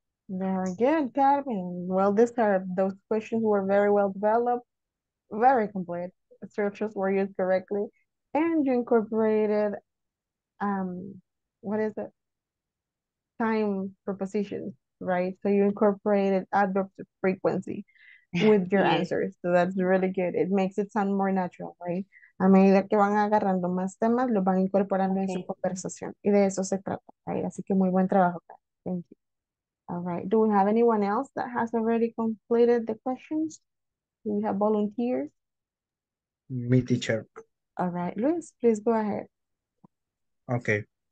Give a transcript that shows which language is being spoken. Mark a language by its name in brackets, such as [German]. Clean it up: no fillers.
[English] Very good, Carmen. Well, those questions were very well developed. Very complete. Structures were used correctly. And you incorporated, what is it? Time prepositions, right? So you incorporated adverbs of frequency with your answers. So that's really good. It makes it sound more natural, right? [Spanish] A medida que van agarrando más temas, los van incorporando en su conversación. Y de eso se trata, right? Así que muy buen trabajo, Carmen. [English] Thank you. All right. Do we have anyone else that has already completed the questions? Do we have volunteers? Me, teacher. All right, Luis, please go ahead. Okay.